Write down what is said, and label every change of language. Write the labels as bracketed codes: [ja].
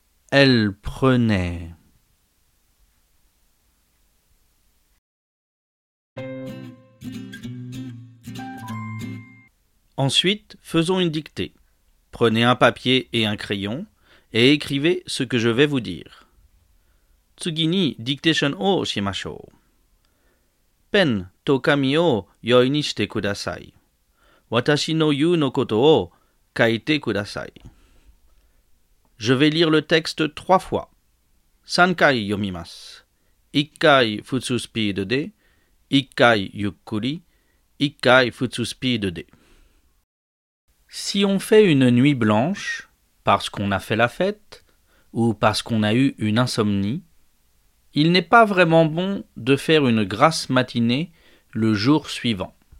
[fr] Elle prenait. Ensuite, faisons une dictée. Prenez un papier et un crayon et écrivez ce que je vais vous dire. [ja] 次にディクテーションをしましょう。ペンと紙を用意にしてください。私の言うのことを書いてください。 [fr] Je vais lire le texte trois fois. [ja] 三回読みます。一回普通スピードで、一回ゆっくり、一回普通スピードで。 [fr] Si on fait une nuit blanche, parce qu'on a fait la fête, ou parce qu'on a eu une insomnie,Il n'est pas vraiment bon de faire une grasse matinée le jour suivant.